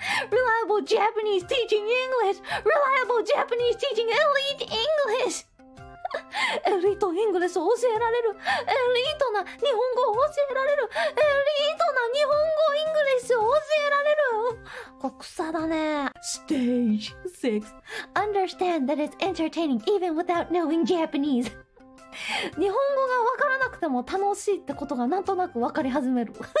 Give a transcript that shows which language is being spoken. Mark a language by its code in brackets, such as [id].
[en] Reliable Japanese teaching English. Reliable Japanese teaching elite English. [ja] エリートイングレスを教えられる、エリートな日本語を教えられる、エリートな日本語イングレスを教えられる。これ草だね。 [en] Stage 6 Understand that it's entertaining even without knowing Japanese. [ja] 日本語が分からなくても楽しいってことがなんとなく分かり始める。